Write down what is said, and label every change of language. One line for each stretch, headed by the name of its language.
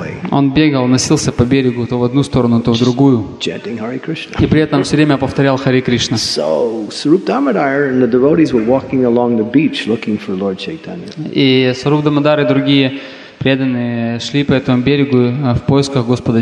Russian: Он бегал, носился по берегу то в одну сторону, то в другую. И при этом все время повторял Харе Кришна.
English: So, Suroop Damodar and the devotees were walking along the beach looking for Lord Chaitanya.
Russian: И Суруп Дамодар и другие преданные шли по этому берегу в поисках Господа